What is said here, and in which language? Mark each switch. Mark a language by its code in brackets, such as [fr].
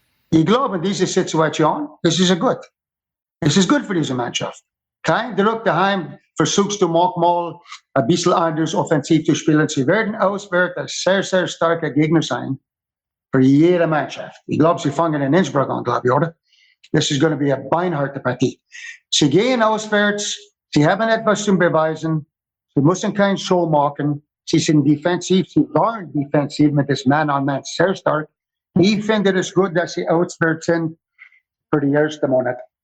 [de] Ich glaube, in dieser Situation, das ist gut. Das ist gut für diese Mannschaft. Kein Druck daheim, versuchst du manchmal ein bisschen anders offensiv zu spielen. Sie werden auswärts ein sehr, sehr starker Gegner sein. Für jede Mannschaft. Ich glaube, sie fangen in Innsbruck an, glaube ich, oder? [en] This is going to be a [de] beinharte Partie. Sie gehen auswärts, sie haben etwas zu beweisen, sie müssen kein Show machen, sie sind defensiv, sie waren defensiv mit diesem Man-on-Man sehr stark. Ich finde es gut, dass sie auswärts sind für die erste Monate.